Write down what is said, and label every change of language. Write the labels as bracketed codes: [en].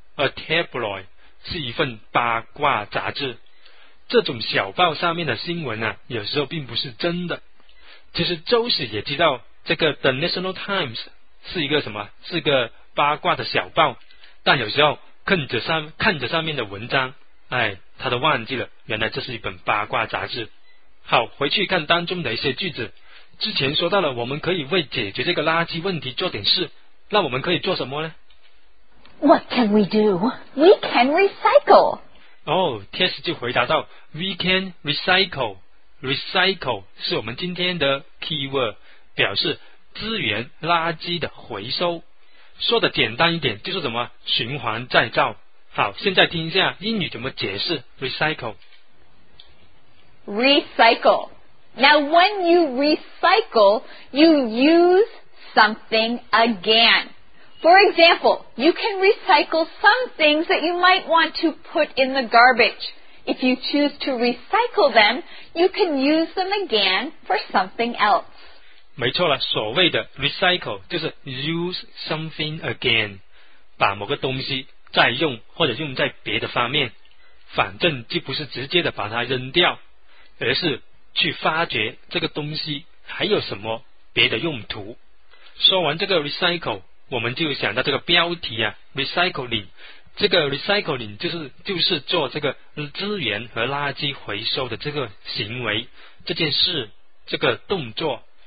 [zh] A tabloid 是一份八卦杂志。这种小报上面的新闻啊，有时候并不是真的。其实周喜也知道这个 The National Times 是一个什么，是个八卦的小报，但有时候 看着上面的文章，哎，他都忘记了，原来这是一本八卦杂志。好，回去看当中的一些句子。之前说到了，我们可以为解决这个垃圾问题做点事，那我们可以做什么呢？ [en] What can we do? We can recycle. [zh] 哦，Tess就回答道， [en] We can recycle. [zh] Recycle 是我们今天的 keyword， 表示资源垃圾的回收。说的简单一点，就是怎么循环再造。好，现在听一下英语怎么解释 recycle。 [en] Recycle. Now when you recycle, you use something again. For example, you can recycle some things that you might want to put in the garbage. If you choose to recycle them, you can use them again for something else. [zh] 没错了，所谓的 recycle 就是 [en] use something again， [zh] 把某个东西再用或者用在别的方面，反正就不是直接的把它扔掉，而是去发掘这个东西还有什么别的用途。说完这个 recycle， 我们就想到这个标题啊， recycling， 这个 recycling 就是做这个资源和垃圾回收的这个行为，这件事，这个动作。